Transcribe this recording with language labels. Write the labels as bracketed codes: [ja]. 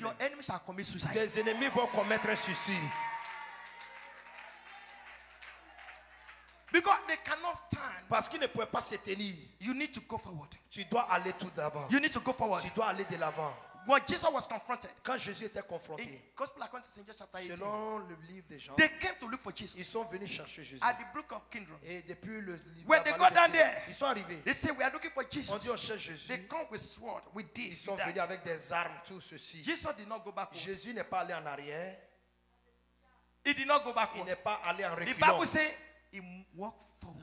[en] Your enemies have commit suicide. [fr] Tes ennemis vont commettre un suicide. [en] Because they cannot stand. [fr] Parce qu'ils ne pouvaient pas se tenir. [en] You need to go forward. [fr] Tu dois aller tout d'avant. [en] You need to go forward. [fr] Tu dois aller de l'avant. [en] When Jesus was confronted, [fr] quand Jésus était confronté, [en] Gospel according to Saint John chapter 18, [fr] selon le livre des Jean, [en] they came to look for Jesus. [fr] Ils sont venus chercher Jésus. [en] At the Brook of Kindron. [fr] Et depuis le [en] when they got down there, [fr] ils sont arrivés. [en] They say we are looking for Jesus. [fr] On dit on cherche Jésus. [en] They come with sword, with this. [fr] Ils sont venus avec des armes, tout ceci. [en] Jesus did not go back. [fr] Jésus n'est pas allé en arrière. [en] He did not go back. [fr] Il n'est pas allé en reculant. [en] The Bible says he walked forward.